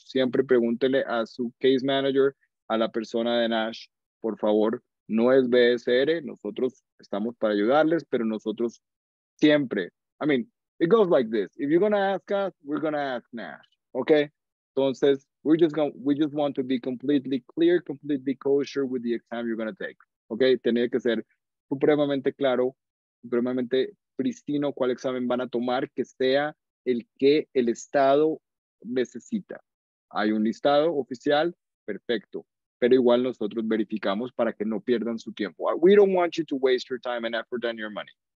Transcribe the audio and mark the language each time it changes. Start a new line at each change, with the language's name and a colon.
Spanish: Siempre pregúntele a su case manager, a la persona de NASH, por favor. No es BSR, nosotros estamos para ayudarles, pero nosotros siempre.
English: I mean, it goes like this. If you're going to ask us, we're going to ask NASH, okay? Entonces, we just want to be completely clear, completely kosher with the exam you're going to take, okay?
Spanish: Tiene que ser supremamente claro, supremamente pristino cuál examen van a tomar, que sea el que el Estado necesita. Hay un listado oficial, perfecto. Pero igual nosotros verificamos para que no pierdan su tiempo.
English: We don't want you to waste your time and effort and your money.